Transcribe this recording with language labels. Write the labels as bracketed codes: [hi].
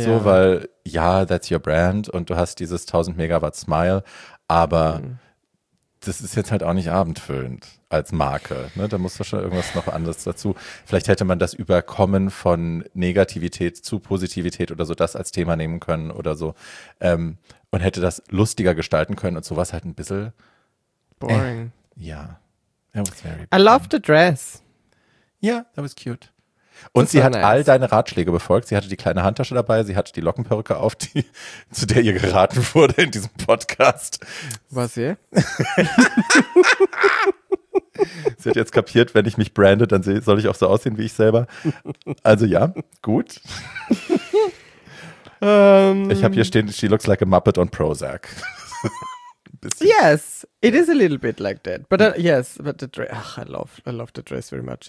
[de] So, weil, ja, [en] that's your brand [de] und du hast dieses 1000 Megawatt Smile, aber das ist jetzt halt auch nicht abendfüllend als Marke. Ne? Da musst du schon irgendwas noch anderes dazu. Vielleicht hätte man das Überkommen von Negativität zu Positivität oder so das als Thema nehmen können oder so. Und hätte das lustiger gestalten können und sowas halt ein bisschen [en] boring. [de] Ja. [en] That was very boring. I love the dress. Yeah, that was cute. [de] Und sie hat all deine Ratschläge befolgt. Sie hatte die kleine Handtasche dabei, sie hatte die Lockenperücke auf, die, zu der ihr geraten wurde in diesem Podcast. Was ihr? Sie hat jetzt kapiert, wenn ich mich brande, dann soll ich auch so aussehen wie ich selber. Also ja, gut. Ich habe hier stehen, [en] she looks like a Muppet on Prozac. Yes, it is a little bit like that. But yes, but the dress, I love the dress very much.